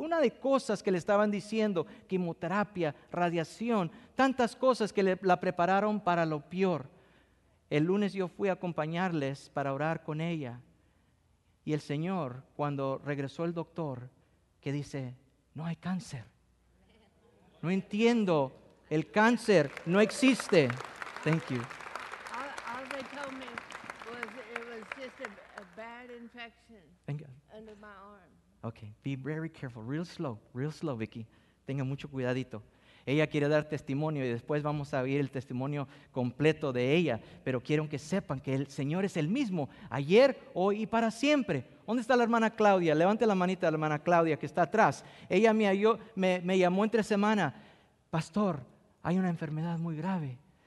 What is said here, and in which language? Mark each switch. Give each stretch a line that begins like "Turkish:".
Spanish: Una de cosas que le estaban diciendo, quimioterapia, radiación, tantas cosas que la prepararon para lo peor. El lunes yo fui a acompañarles para orar con ella. Y el Señor, cuando regresó el doctor, que dice, no hay cáncer. No entiendo, el cáncer no existe.
English: Thank you. All they told me was it was just a bad infection. Thank you. Under my arm. Okay, be very careful, real slow, Vicky.
Spanish: Tenga mucho cuidadito. Ella quiere dar testimonio y después vamos a oír el testimonio completo de ella. Pero quiero que sepan que el Señor es el mismo, ayer, hoy y para siempre. ¿Dónde está la hermana Claudia? Levante la manita de la hermana Claudia que está atrás. Ella me llamó entre semana. Pastor, hay una enfermedad muy grave.